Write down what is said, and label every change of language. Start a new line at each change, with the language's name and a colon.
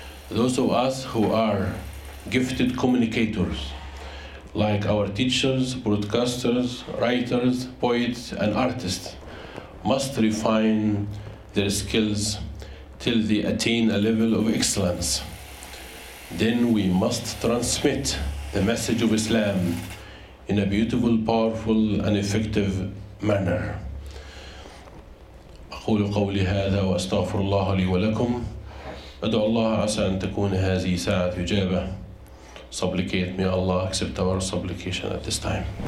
English: Those of us who are gifted communicators, like our teachers, broadcasters, writers, poets, and artists, must refine their skills till they attain a level of excellence. Then we must transmit the message of Islam in a beautiful, powerful, and effective manner.
Arabic: أقول قولي هذا وأستغفر الله لي ولكم. أدعو الله عسى أن تكون هذه ساعة إجابة.
English: Supplicate, may Allah accept our supplication at this time.